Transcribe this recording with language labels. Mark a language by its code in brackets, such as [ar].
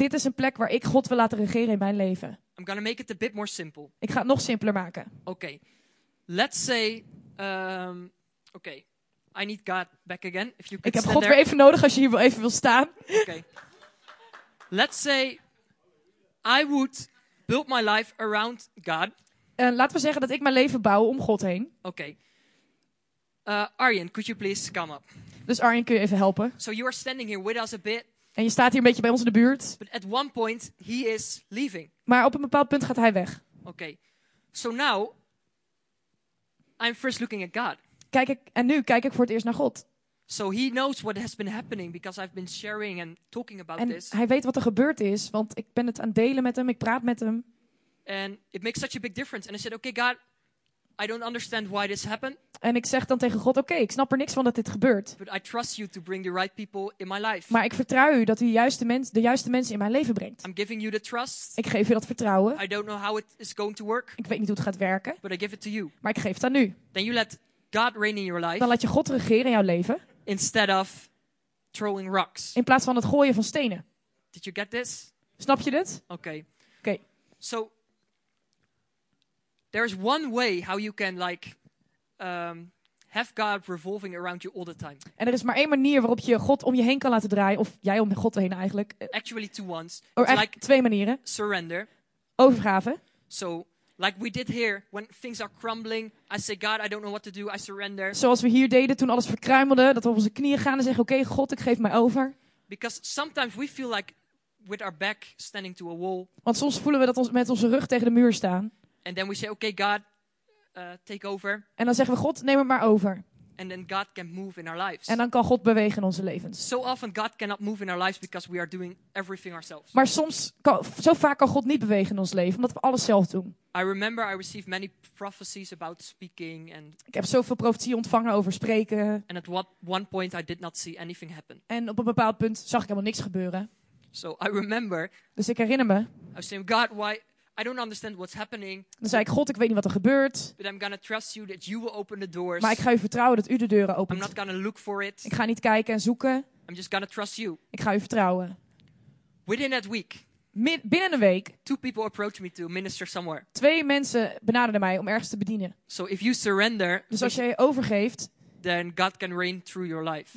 [nl] Dit is een plek waar ik God wil laten regeren in mijn leven. [en] I'm gonna make it a bit more simple. [nl] Ik ga het nog simpeler maken. [en] Okay. Let's say, I need God back again. If you could [nl] ik heb God [en] there. [nl] Weer even nodig als je hier even wil staan. [en] Okay. Let's say I would build my life around God. [nl] Laten we zeggen dat ik mijn leven bouw om God heen. [en] Okay. Arjen, could you please come up? [nl] Dus Arjen, kun je even helpen? [en] So you are standing here with us a bit. [nl] En je staat hier een beetje bij ons in de buurt. [en] But at one point he is leaving. [nl] Maar op een bepaald punt gaat hij weg. [en] Okay. So now I'm first looking at God. [nl] Nu kijk ik voor het eerst naar God. [en] So he knows what has been happening because I've been sharing and talking about [nl] en [en] this. [nl] Hij weet wat er gebeurd is, want ik ben het aan het delen met hem, ik praat met hem. [en] And it makes such a big difference. And I said, okay, God, I don't understand why this happened. [nl] En ik zeg dan tegen God, okay, ik snap er niks van dat dit gebeurt. [en] But I trust you to bring the right people in my life. [nl] Maar ik vertrouw u dat u de juiste mensen in mijn leven brengt. [en] I'm giving you the trust. [nl] Ik geef u dat vertrouwen. [en] I don't know how it is going to work. [nl] Ik weet niet hoe het gaat werken. [en] But I give it to you. [nl] Maar ik geef het aan u. [en] Then you let God reign in your life. [nl] Dan laat je God regeren in jouw leven. [en] Instead of throwing rocks. [nl] In plaats van het gooien van stenen. [en] Did you get this? [nl] Snap je dit? [en] Okay. [nl] Okay. [en] So there is one way how you can have God revolving around you all the time. [nl] En er is maar één manier waarop je God om je heen kan laten draaien of jij om God heen eigenlijk. [en] Actually two ones. Or like [nl] twee manieren. [en] Surrender. [nl] Overgave. [en] So like we did here when things are crumbling, I say God, I don't know what to do, I surrender. [nl] Zoals we hier deden toen alles verkruimelde, dat we op onze knieën gaan en zeggen oké, God, ik geef mij over. [en] Because sometimes we feel like with our back standing to a wall. [nl] Want soms voelen we dat ons met onze rug tegen de muur staan. [en] And then we say okay, God, take over. [nl] En dan zeggen we God, neem het maar over. [en] And then God can move in our lives. [nl] En dan kan God bewegen in onze levens. [en] So often God cannot move in our lives because we are doing everything ourselves. [nl] Maar soms zo vaak kan God niet bewegen in ons leven omdat we alles zelf doen. [en] I remember I received many prophecies about speaking and [nl] ik heb zoveel profetie ontvangen over spreken. [en] And at one point I did not see anything happen. [nl] En op een bepaald punt zag ik helemaal niks gebeuren. [en] So I remember. [nl] Dus ik herinner me. [en] I was saying, God, why I don't understand what's happening. [nl] Dan zei ik, God, ik weet niet wat er gebeurt. [en] But I'm gonna trust you that you will open the doors. [nl] Maar ik ga u vertrouwen dat u de deuren opent. [en] I'm not gonna look for it. [nl] Ik ga niet kijken en zoeken. [en] I'm just gonna trust you. [nl] Ik ga u vertrouwen. [en] Within that week. [nl] Binnen een week. [en] Two people approached me to minister somewhere. [nl] Twee mensen benaderden mij om ergens te bedienen. [en] So if you surrender, [nl] dus als je overgeeft. [en] Then God can reign through your life.